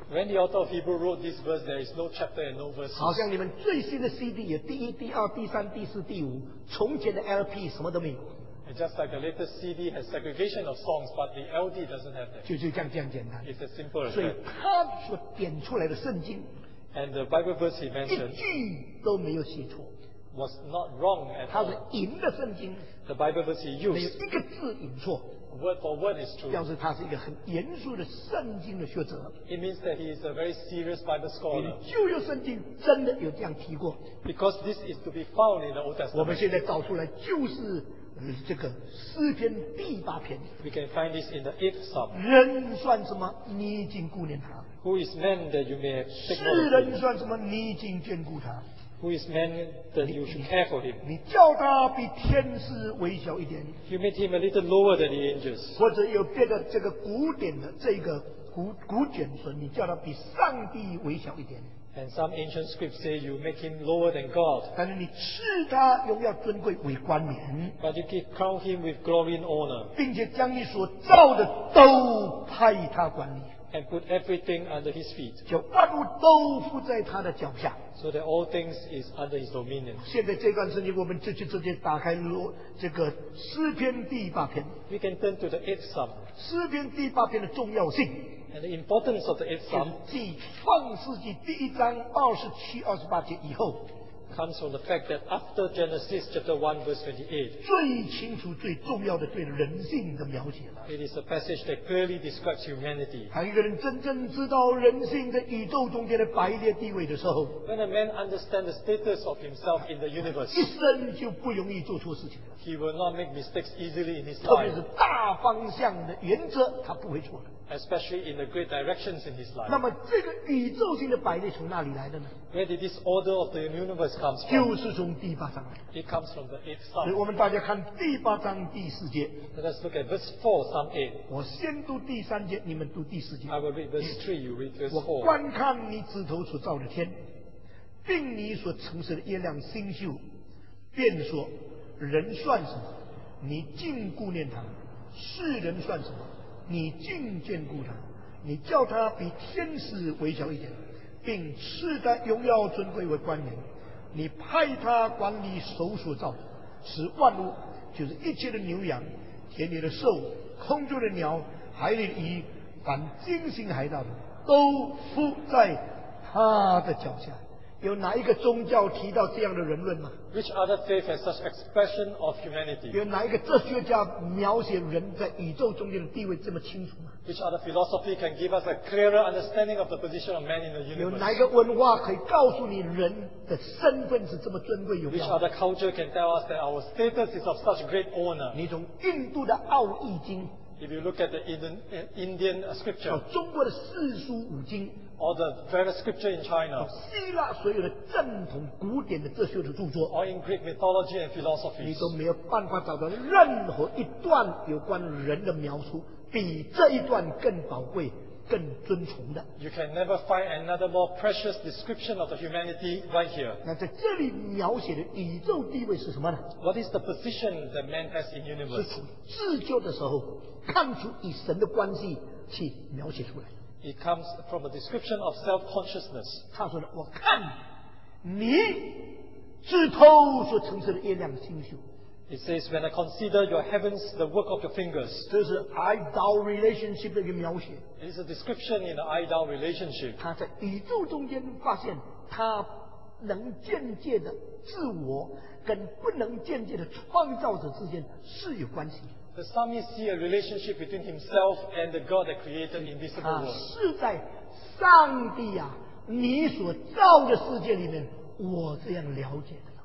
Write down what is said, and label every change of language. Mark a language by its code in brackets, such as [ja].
[en] When the author of Hebrew wrote this verse, there is no chapter and no verses. [zh] 好像你们最新的 CD 有第一、第二、第三、第四、第五，从前的 LP 什么都没有。 [en] And just like the latest CD has segregation of songs, but the LD doesn't have that. [zh] 就这样简单。 [en] It's as simple as that. [zh] 所以他所点出来的圣经， [en] and the Bible verse he mentioned, [zh] 一句都没有写错。 [en] Was not wrong at all. [zh] 他是赢的圣经， [en] the Bible verse he used, [zh] 没有一个字引错， [en] word for word is true. [zh] 表示他是一个很严肃的圣经的学者。 [en] It means that he is a very serious Bible scholar. [zh] 旧约圣经真的有这样提过。 [en] Because this is to be found in the Old Testament. [zh] 我们现在找出来就是这个诗篇第八篇。 [en] We can find this in the eighth psalm. [zh] 人算什么？你竟顾念他。 [en] Who is man that you may take note of him? [zh] 世人算什么？你竟眷顾他。 [en] Who is man that you should care for him? [zh] 你叫他比天使微小一点。 [en] You made him a little lower than the angels. [zh] 或者有别的这个古典的这个古卷说，你叫他比上帝微小一点。 [en] And some ancient scripts say you make him lower than God. [zh] 但是你赐他荣耀尊贵为冠冕。 [en] But you crown him with glory and honor. [zh] 并且将你所造的都派他管理。 [en] And put everything under his feet. [zh] 就万物都附在他的脚下。 [en] So that all things is under his dominion. [zh] 现在这段圣经，我们直接打开这个诗篇第八篇。 [en] We can turn to the eighth psalm. [zh] 诗篇第八篇的重要性。 [en] And the importance of the eighth psalm [zh] 继创世纪第一章二十七、二十八节以后 [en] comes from the fact that after Genesis chapter 1 verse 28 [zh] 最清楚、最重要的对人性的描写了。 [en] It is a passage that clearly describes humanity. [zh] 当一个人真正知道人性在宇宙中间的排列地位的时候 [en] When a man understands the status of himself in the universe [zh] 一生就不容易做错事情了。 [en] He will not make mistakes easily in his life. [zh] 特别是大方向的原则他不会错的。 [en] Especially in the great directions in his life. [zh] 那么这个宇宙性的摆列从哪里来的呢？ [en] Where did this order of the universe come from? [zh] 就是从第八章来。 [en] It comes from the eighth psalm. [zh] 所以我们大家看第八章第四节。 [en] Let us look at verse 4, Psalm 8. [zh] 我先读第三节，你们读第四节。 [en] I will read verse 3, you read verse 4. [zh] 我观看你指头所造的天，并你所成设的月亮星宿，便说人算什么？你竟顾念他，世人算什么？你竟眷顾他，你叫他比天使微小一点，并赐他荣耀尊贵为冠冕。你派他管理手所造的，使万物，就是一切的牛羊、田里的兽、空中的鸟、海里的鱼，凡惊醒海盗的，都伏在他的脚下。有哪一个宗教提到这样的人论吗？ [en] Which other faith has such expression of humanity? [zh] 有哪一个哲学家描写人在宇宙中间的地位这么清楚吗？ [en] Which other philosophy can give us a clearer understanding of the position of man in the universe? [zh] 有哪一个文化可以告诉你人的身份是这么尊贵有吗？ [en] Which other culture can tell us that our status is of such great honor? [zh] 你从印度的奥义经 [en] If you look at the Indian scripture [zh] 中国的四书五经 [en] Or the various scripture in China. [zh] 希腊所有的正统古典的哲学的著作。 [en] Or in Greek mythology and philosophy. [zh] 你都没有办法找到任何一段有关人的描述比这一段更宝贵、更尊崇的。 [en] You can never find another more precious description of the humanity right here. [zh] 那在这里描写的宇宙地位是什么呢？ [en] What is the position that man has in universe? [zh] 是从自救的时候看出与神的关系去描写出来。 [en] It comes from a description of self-consciousness. [zh] 他说的，我看你指头所成就的月亮星宿。 [en] It says, when I consider your heavens, the work of your fingers. [zh] 这是 [en] idol relationship [zh] 的一个描写。 [en] It is a description in the idol relationship. [zh] 他在宇宙中间发现，他能间接的自我跟不能间接的创造者之间是有关系。 [en] The psalmist sees a relationship between himself and the God that created invisible world. [zh] 是在上帝啊，你所造的世界里面，我这样了解的。